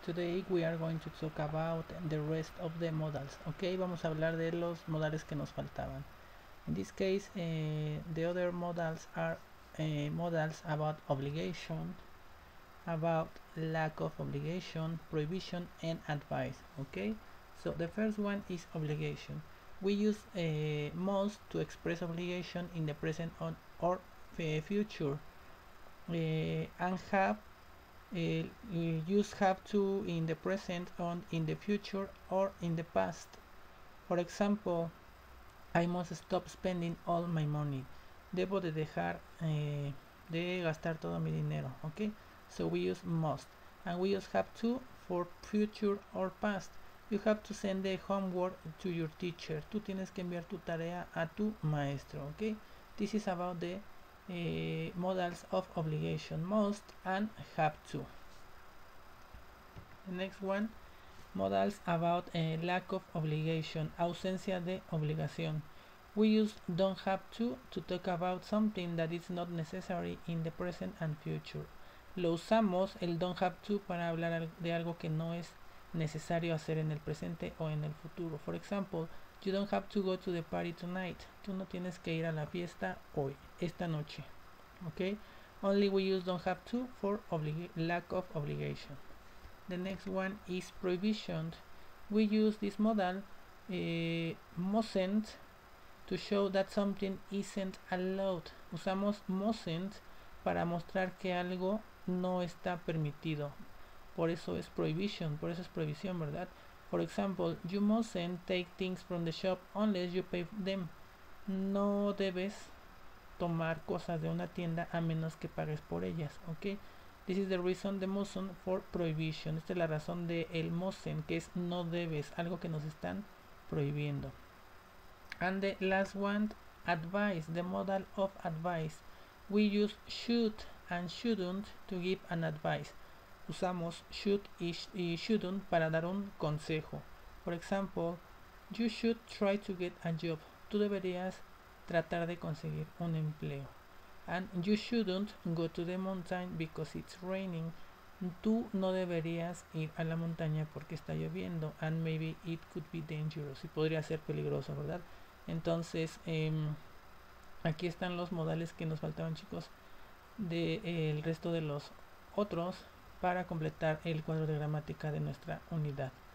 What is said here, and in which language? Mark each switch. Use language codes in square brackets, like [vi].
[en] Today we are going to talk about the rest of the modals. [es] Okay, vamos a hablar de los modales que nos faltaban. [en] In this case, the other modals are modals about obligation, about lack of obligation, prohibition, and advice. Okay, so the first one is obligation. We use must to express obligation in the present or future, and have. Use have to in the present or in the future or in the past. For example, I must stop spending all my money. [es] Debo de dejar de gastar todo mi dinero. [en] Okay, so we use must, and we use have to for future or past. You have to send the homework to your teacher. [es] Tú tienes que enviar tu tarea a tu maestro. [en] Okay, this is about the modals of obligation, must and have to. The next one, modals about lack of obligation, [es] ausencia de obligación. [en] We use don't have to talk about something that is not necessary in the present and future. [es] Lo usamos, el don't have to, para hablar de algo que no es necesario hacer en el presente o en el futuro. [en] For example, you don't have to go to the party tonight. [es] Tú no tienes que ir a la fiesta hoy, esta noche. [en] Okay? Only we use don't have to for lack of obligation. The next one is prohibition. We use this modal mustn't to show that something isn't allowed. [es] Usamos mustn't para mostrar que algo no está permitido. Por eso es prohibition, por eso es prohibición, ¿verdad? [en] For example, you mustn't take things from the shop unless you pay them. [es] No debes tomar cosas de una tienda a menos que pagues por ellas, ¿ok? [en] This is the reason the mustn't for prohibition. [es] Esta es la razón de el mustn't, que es no debes, algo que nos están prohibiendo. [en] And the last one, advice, the modal of advice. We use should and shouldn't to give an advice. [es] Usamos should y shouldn't para dar un consejo. [en] For example, you should try to get a job. [es] Tú deberías tratar de conseguir un empleo. [en] And you shouldn't go to the mountain because it's raining. [es] Tú no deberías ir a la montaña porque está lloviendo. [en] And maybe it could be dangerous. [es] Y podría ser peligroso, ¿verdad? Entonces, aquí están los modales que nos faltaban, chicos, de el resto de los otros, para completar el cuadro de gramática de nuestra unidad.